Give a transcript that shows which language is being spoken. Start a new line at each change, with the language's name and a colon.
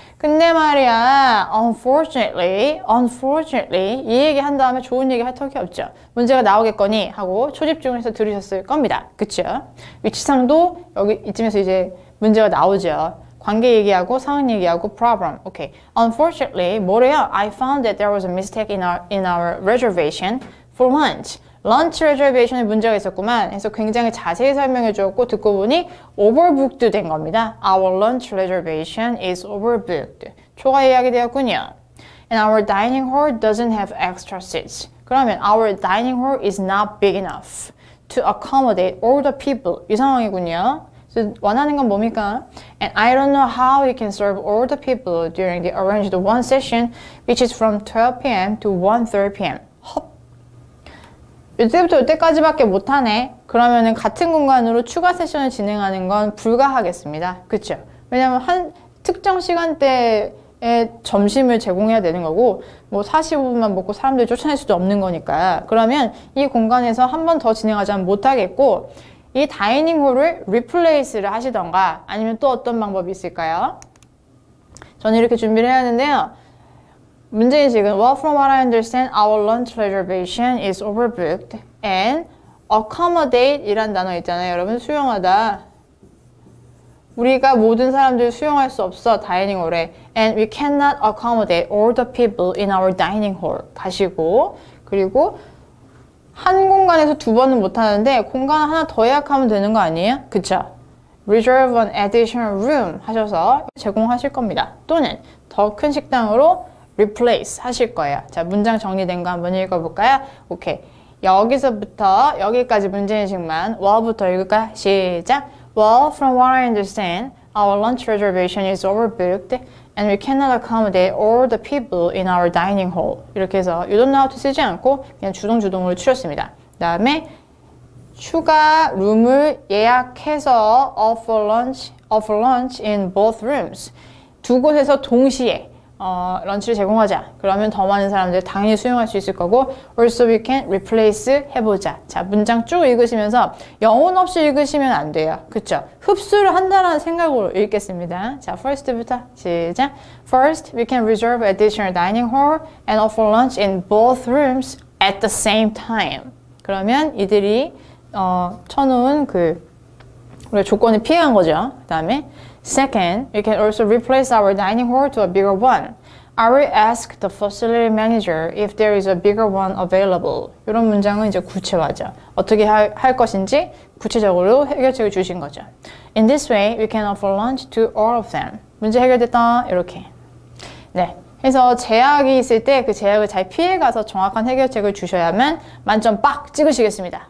Korean: 근데 말이야, unfortunately, 이 얘기 한 다음에 좋은 얘기 할 턱이 없죠. 문제가 나오겠거니 하고 초집중해서 들으셨을 겁니다. 그쵸? 위치상도 여기 이쯤에서 이제 문제가 나오죠. 관계 얘기하고 상황 얘기하고
English: problem. Okay. Unfortunately,
Korean: 뭐래요?
English: I found that there was a mistake in our reservation for lunch.
Korean: Lunch reservation에 문제가 있었구만. 그래서 굉장히 자세히 설명해 주었고 듣고 보니 overbooked 된 겁니다.
English: Our lunch reservation is overbooked.
Korean: 초과 예약이 되었군요.
English: And our dining hall doesn't have extra seats.
Korean: 그러면
English: our dining hall is not big enough to accommodate all the people.
Korean: 이 상황이군요. 원하는 건 뭡니까?
English: And I don't know how we can serve all the people during the arranged one session, which is from 12 p.m. to 1:30 p.m. 헉!
Korean: 이때부터 이때까지밖에 못하네. 그러면은 같은 공간으로 추가 세션을 진행하는 건 불가하겠습니다. 그쵸? 왜냐면 한 특정 시간대에 점심을 제공해야 되는 거고, 뭐 45분만 먹고 사람들 쫓아낼 수도 없는 거니까. 그러면 이 공간에서 한 번 더 진행하자면 못하겠고, 이 다이닝홀을 리플레이스를 하시던가 아니면 또 어떤 방법이 있을까요? 저는 이렇게 준비를 했는데요. 문제는 지금
English: Well, from what I understand, our lunch reservation is overbooked and accommodate
Korean: 이란 단어 있잖아요. 여러분 수용하다. 우리가 모든 사람들을 수용할 수 없어, 다이닝홀에.
English: And we cannot accommodate all the people in our dining hall.
Korean: 가시고 그리고 한 공간에서 두 번은 못하는데 공간 하나 더 예약하면 되는 거 아니에요? 그쵸?
English: Reserve an additional room
Korean: 하셔서 제공하실 겁니다. 또는 더 큰 식당으로 replace 하실 거예요. 자, 문장 정리된 거 한번 읽어볼까요? 오케이. 여기서부터 여기까지 문제인식만 well부터 읽을까요? 시작!
English: Well, from what I understand, our lunch reservation is overbooked and we cannot accommodate all the people in our dining hall.
Korean: 이렇게 해서
English: you don't know how to
Korean: 쓰지 않고 그냥 주동주동으로 추렸습니다. 그 다음에 추가 룸을 예약해서
English: offer lunch in both rooms.
Korean: 두 곳에서 동시에 런치를 제공하자. 그러면 더 많은 사람들 당연히 수용할 수 있을 거고
English: also we can replace
Korean: 해보자. 자, 문장 쭉 읽으시면서 영혼 없이 읽으시면 안 돼요. 그쵸? 흡수를 한다는 생각으로 읽겠습니다. 자, first부터 시작.
English: First, we can reserve additional dining hall and offer lunch in both rooms at the same time.
Korean: 그러면 이들이 쳐놓은 그 우리가 조건을 피해간 거죠. 그 다음에
English: Second, we can also replace our dining hall to a bigger one. I will ask the facility manager if there is a bigger one available.
Korean: 이런 문장은 이제 구체화죠. 어떻게 할 것인지 구체적으로 해결책을 주신 거죠.
English: In this way, we can offer lunch to all of them.
Korean: 문제 해결됐다. 이렇게. 네. 그래서 제약이 있을 때 그 제약을 잘 피해가서 정확한 해결책을 주셔야만 만점 빡 찍으시겠습니다.